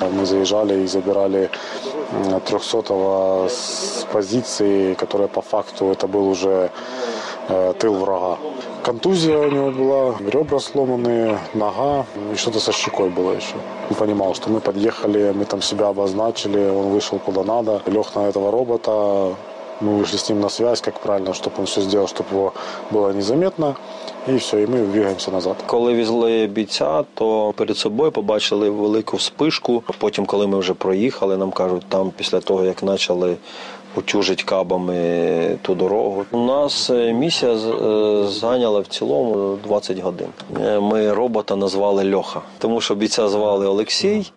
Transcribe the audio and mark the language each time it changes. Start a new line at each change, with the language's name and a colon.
Ukrainian: Ми заїжджали і забирали 300-го з позиції, яка по факту це був вже
Russian: тил врага.
Ukrainian: Контузія у нього була,
Russian: ребра сломані,
Ukrainian: нога, і щось зі щекою було ще. Він розумів, що ми під'їхали, ми там себе обозначили, він вийшов куди треба, ліг на цього робота.
Russian: Мы вышли с ним на связь, как правильно, чтобы он все сделал, чтобы его было незаметно. И все, и мы двигаемся назад.
Ukrainian: Коли везли бійця, то перед собою побачили велику вспышку. Потім, коли ми вже проїхали, нам кажуть, там після того, як почали утюжити кабами ту дорогу. У нас місія зайняла в цілому 20 годин. Ми робота назвали Льоха, тому що бійця звали Олексій.